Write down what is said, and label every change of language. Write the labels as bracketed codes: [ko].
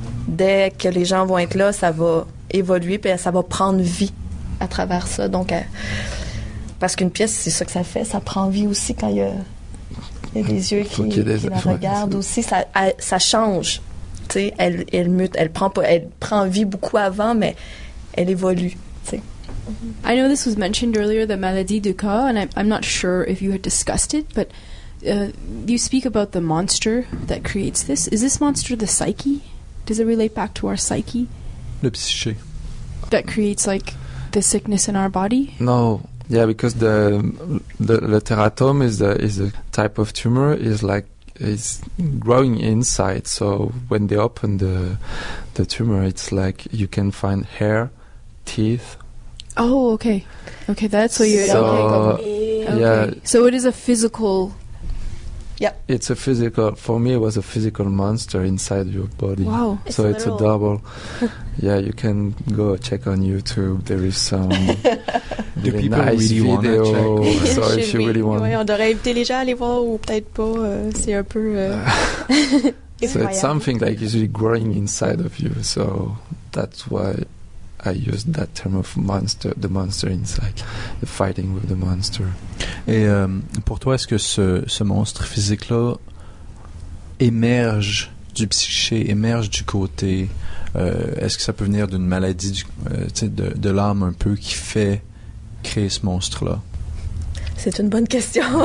[fr] Dès que les gens vont être là, ça va évoluer, puis ça va prendre vie à travers ça. Donc, parce qu'une pièce, c'est ça que ça fait, ça prend vie aussi quand il y a des yeux qui la regardent aussi. Ça change, tu sais. Elle mute, elle prend vie beaucoup avant, mais elle évolue, tu sais. [en] I know this was mentioned earlier, the [fr] maladie du corps, [en] and I'm not sure if you had discussed it, but you speak about the monster that creates this. Is this monster the psyche? Does it relate back to our psyche? [fr] Le psyché. [en] That creates, like, the sickness in our body? No. Yeah, because the teratome is a type of tumor. It's growing inside. So when they open the tumor, it's like you can find hair, teeth. Oh, okay. Okay, that's what you're... So, yeah. So it is a physical... Yeah. It's a physical, for me it was a physical monster inside your body. Wow. It's a double. Yeah, you can go check on YouTube. There is some do really people nice really video. Want to check? So if you really want. [fr] Oui, on devrait inviter les gens à aller voir ou peut-être pas, c'est un peu [en] So it's something like usually growing inside of you. So that's why I used that term of monster, the monster inside, the fighting with the monster. [fr] Et pour toi, est-ce que ce monstre physique-là émerge du psyché, émerge du côté, est-ce que ça peut venir d'une maladie de l'âme un peu qui fait créer ce monstre-là? C'est une bonne question.